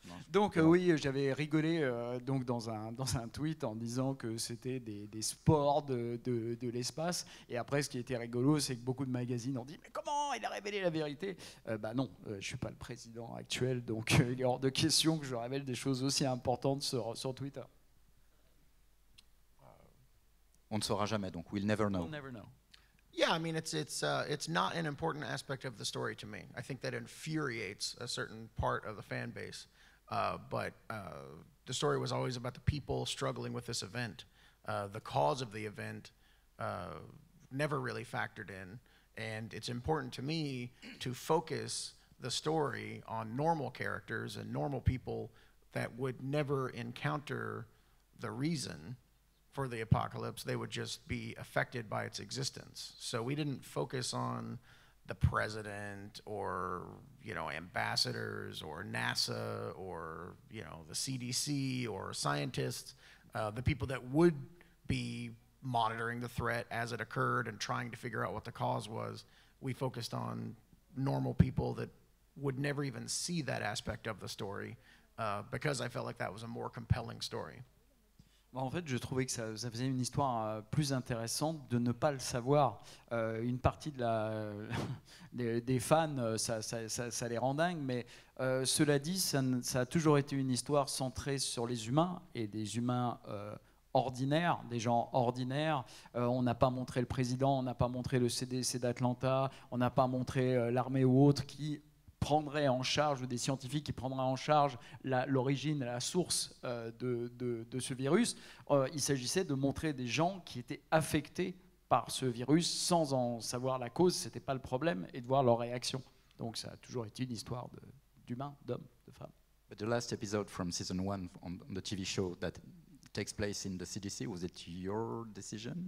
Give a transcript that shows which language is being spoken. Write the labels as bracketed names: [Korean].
[French] Donc oui, j'avais rigolé donc dans un tweet en disant que c'était des spores de l'espace. Et après, ce qui était rigolo, c'est que beaucoup de magazines ont dit « Mais comment il a révélé la vérité ?» Je ne suis pas le président actuel, donc il est hors de question que je révèle des choses aussi importantes sur Twitter. On ne saura jamais, donc [English] we'll never know. We'll never know. Yeah, I mean, it's not an important aspect of the story to me. I think that infuriates a certain part of the fan base. The story was always about the people struggling with this event. The cause of the event never really factored in. And it's important to me to focus the story on normal characters and normal people that would never encounter the reason for the apocalypse. They would just be affected by its existence. So we didn't focus on the president or, ambassadors or NASA or, the CDC or scientists, the people that would be monitoring the threat as it occurred and trying to figure out what the cause was. We focused on normal people that would never even see that aspect of the story because I felt like that was a more compelling story. [French] En fait, je trouvais que ça faisait une histoire plus intéressante de ne pas le savoir. Une partie de des fans, ça les rend dingues, mais cela dit, ça a toujours été une histoire centrée sur les humains et des humains ordinaires, des gens ordinaires. On n'a pas montré le président, on n'a pas montré le CDC d'Atlanta, on n'a pas montré l'armée ou autre qui prendrait en charge, des scientifiques qui prendraient en charge l'origine, la source de ce virus. Il s'agissait de montrer des gens qui étaient affectés par ce virus sans en savoir la cause, c'était pas le problème, et de voir leur réaction. Donc ça a toujours été une histoire d'humains, d'hommes, de femmes. [English] But the last episode from season one on the TV show that takes place in the CDC, was it your decision?